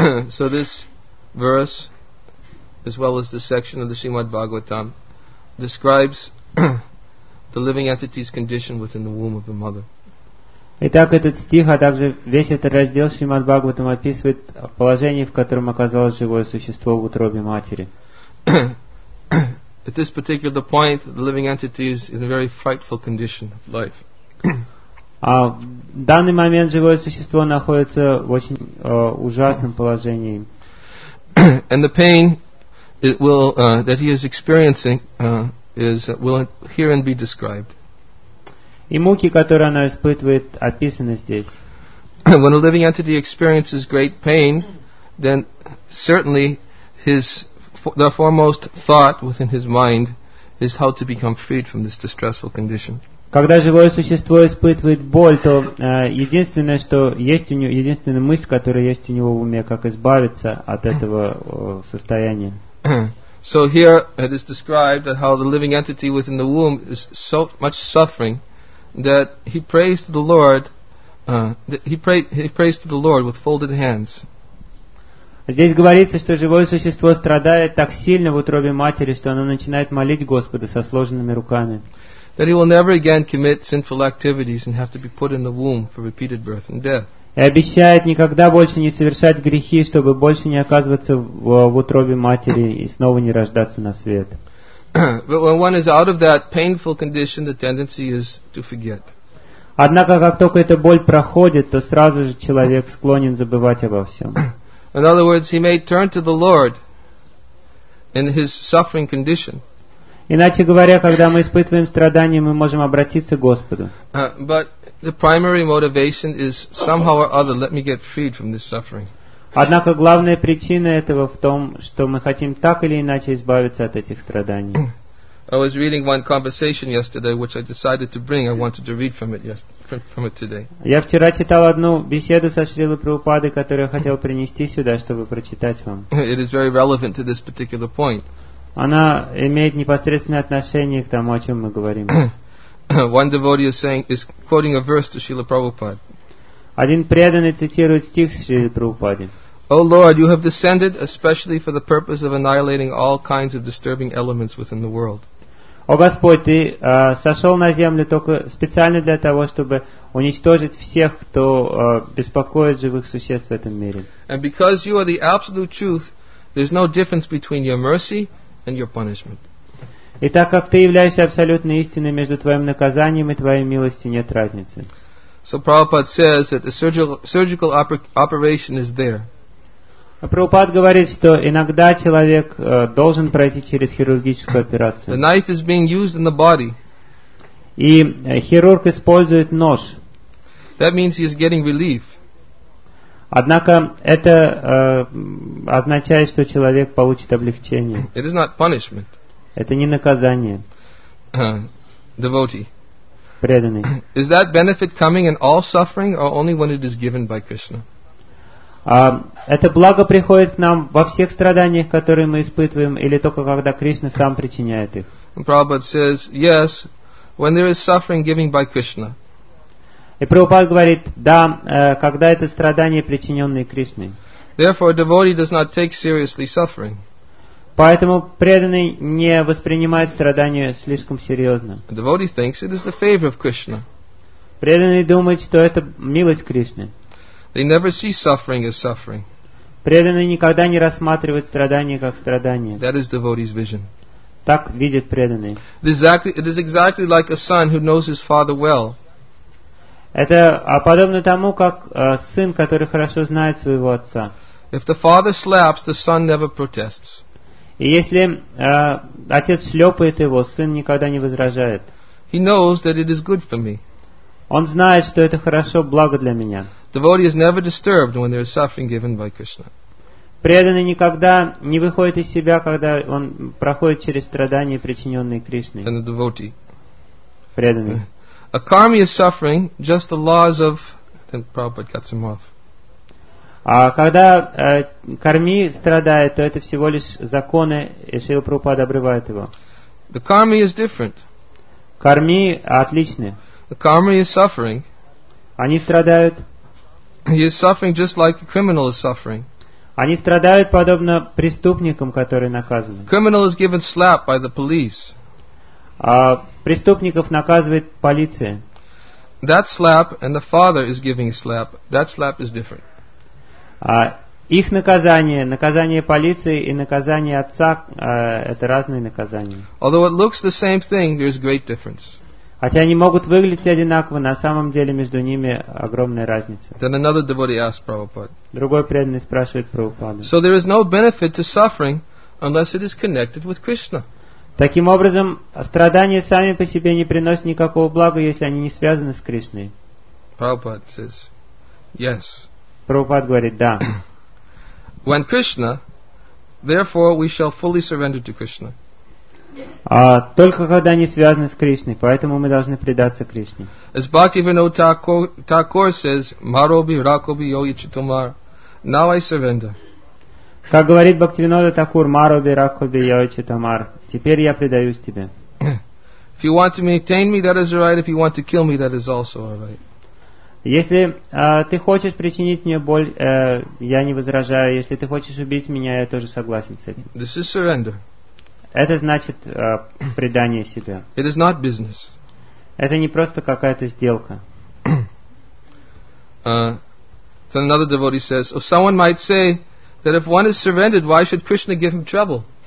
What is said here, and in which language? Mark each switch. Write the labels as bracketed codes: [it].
[en] So this verse, as well as this section of the Srimad Bhagavatam, describes the living entity's condition within the womb of the mother. [ru] Итак, этот стих, а также весь этот раздел Шримад Бхагаватам описывает положение, в котором оказалось живое существо в утробе матери. [en] At this particular point, the living entity is in a very frightful condition of life. [ru] А в данный момент живое существо находится в очень ужасном положении. [en] And the pain it will, that he is experiencing is will herein be described. [ru] И муки, которые она испытывает, описаны здесь. [en] When a living entity experiences great pain, then certainly the foremost thought within his mind is how to become freed from this distressful condition. [ru] Когда живое существо испытывает боль, то единственное, что есть у него, единственная мысль, которая есть у него в уме, как избавиться от этого состояния. [en] So here it is described that how the living entity within the womb is so much suffering that he prays to the Lord, he prays to the Lord with folded hands. [ru] Здесь говорится, что живое существо страдает так сильно в утробе матери, что оно начинает молить Господа со сложенными руками. [en] That he will never again commit sinful activities and have to be put in the womb for repeated birth and death. [ru] И обещает никогда больше не совершать грехи, чтобы больше не оказываться в утробе матери и снова не рождаться на свет. [en] But when one is out of that painful condition, the tendency is to forget. [ru] Однако, как только эта боль проходит, то сразу же человек склонен забывать обо всем. [en] In other words, he may turn to the Lord in his suffering condition. [ru] Иначе говоря, когда мы испытываем страдания, мы можем обратиться к Господу. [en] But the primary motivation is somehow or other, let me get freed from this suffering. [ru] Однако главная причина этого в том, что мы хотим так или иначе избавиться от этих страданий. [en] I was reading one conversation yesterday, which I decided to bring. I wanted to read from it today. [ru] Я вчера читал одну беседу со Шрилой Прабхупадой, которую я хотел принести сюда, чтобы прочитать вам. [en] It is very relevant to this particular point. [ru] Она имеет непосредственное отношение к тому, о чем мы говорим. [en] One devotee is quoting a verse to Srila Prabhupada. [ru] Один преданный цитирует стих Шрилы Прабхупады. [en] O Lord, you have descended especially for the purpose of annihilating all kinds of disturbing elements within the world. [ru] О Господь, ты сошел на землю только специально для того, чтобы уничтожить всех, кто беспокоит живых существ в этом мире. [en] And because you are the absolute truth, there's no difference between your mercy and your punishment. [ru] И так как ты являешься абсолютной истиной, между твоим наказанием и твоей милостью нет разницы. [en] So Prabhupada says that the surgical operation is there. [ru] Прабхупад говорит, что иногда человек должен пройти через хирургическую операцию. [en] The knife is being used in the body. [ru] И хирург использует нож. [en] That means he is getting relief. [ru] Однако это означает, что человек получит облегчение. [en] It is not punishment. [ru] Это не наказание. [en] Devotee. [ru] Преданный. [en] Is that benefit coming in all suffering or only when it is given by Krishna? [ru] Это благо приходит к нам во всех страданиях, которые мы испытываем, или только когда Кришна сам причиняет их? [en] And Prabhupada says, yes, when there is suffering given by Krishna. [ru] И Прабхупад говорит, да, когда это страдание, причиненное Кришной. [en] Therefore, a devotee does not take seriously suffering. [ru] Поэтому преданный не воспринимает страдание слишком серьезно. [en] A devotee thinks it is the favor of Krishna. [ru] Преданный думает, что это милость Кришны. [en] They never see suffering as suffering. [ru] Преданный никогда не рассматривает страдание как страдание. [en] That is devotee's vision. [ru] Так видит преданный. [en] It is exactly like a son who knows his father well. [ru] Это подобно тому, как сын, который хорошо знает своего отца. [en] If the father slaps, the son never protests. [ru] И если отец шлепает его, сын никогда не возражает. [en] He knows that it is good for me. [ru] Он знает, что это хорошо, благо для меня. [en] Devotee is never disturbed when there is suffering given by Krishna. [ru] Преданный никогда не выходит из себя, когда он проходит через страдания, причиненные Кришной. [en] And the devotee. [ru] Преданный. [en] A karma is suffering, just the laws of... Then Prabhupada cuts him off. [ru] Когда карми страдает, то это всего лишь законы, и Шрила Прабхупада обрывает его. [en] The karma is different. [ru] Карми отличны. [en] The karma is suffering. [ru] Они страдают. [en] He is suffering just like a criminal is suffering. [ru] Они страдают подобно преступникам, которые наказаны. [en] Criminal is given slap by the police. [ru] Преступников наказывает полиция. [en] That slap and the father is giving slap. That slap is different. [ru] Их наказание, наказание полиции и наказание отца, это разные наказания. [en] Although it looks the same thing, there is great difference. [ru] Хотя они могут выглядеть одинаково, на самом деле между ними огромная разница. [en] Then another devotee asked Prabhupada. [ru] Другой преданный спрашивает Прабхупаду. [en] So there is no benefit to suffering unless it is connected with Krishna. [ru] Таким образом, страдания сами по себе не приносят никакого блага, если они не связаны с Кришной. [en] Prabhupada says, yes. [ru] Прабхупад говорит, да. [en] When Krishna, therefore we shall fully surrender to Krishna. [ru] Только когда они связаны с Кришной, поэтому мы должны предаться Кришне. [en] As Bhaktivinoda Thakur says, [bn] Marobi Rakobi Yogi Chitumar, [en] now I surrender. [ru] Как говорит Бхактивинода Такур, [bn] Мароби Ракоби Йоги Читамар, [ru] теперь я предаюсь тебе. [en] If you want to maintain me, that is right. If you want to kill me, that is also right. [ru] Если ты хочешь причинить мне боль, я не возражаю. Если ты хочешь убить меня, я тоже согласен с этим. [en] This is surrender. [ru] Это значит предание себя. [en] It is not business. [ru] Это не просто какая-то сделка. [en] So another devotee says, or someone might say that if one is surrendered, why should Krishna give him trouble?